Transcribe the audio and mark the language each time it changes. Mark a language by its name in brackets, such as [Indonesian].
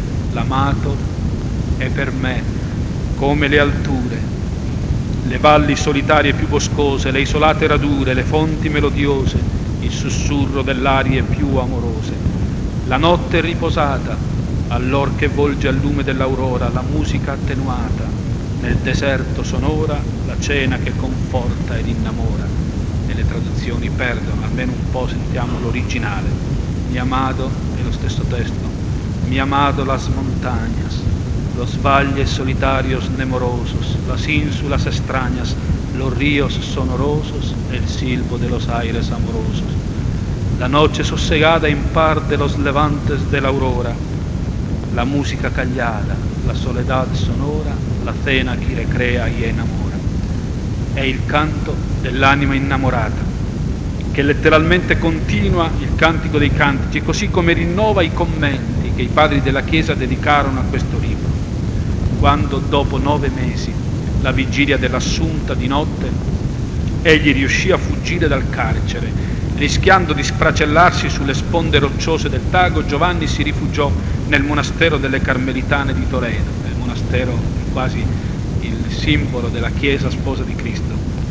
[Italian] L'amato è per me come le alture, le valli solitarie più boscose, le isolate radure, le fonti melodiose, il sussurro dell'aria più amorose, la notte riposata, allor che volge al lume dell'aurora, la musica attenuata, nel deserto sonora, la cena che conforta ed innamora. E le traduzioni perdono, almeno un po' sentiamo l'originale. [Spanish] Mi amado, [Italian] è lo stesso testo, [Spanish] mi amado las montañas, los valles solitarios nemorosos, las insulas extrañas, los ríos sonorosos, el silbo de los aires amorosos. La noche sosegada en par de los levantes de la aurora, la música callada, la soledad sonora, la cena que recrea y enamora. [Italian] È il canto dell'anima innamorata, che letteralmente continua il cantico dei cantici, così come rinnova i commenti che i padri della Chiesa dedicarono a questo libro. Quando dopo 9 mesi, la vigilia dell'assunta di notte, egli riuscì a fuggire dal carcere, rischiando di sfracellarsi sulle sponde rocciose del Tago, Giovanni si rifugiò nel monastero delle Carmelitane di Toledo, il monastero quasi il simbolo della Chiesa Sposa di Cristo.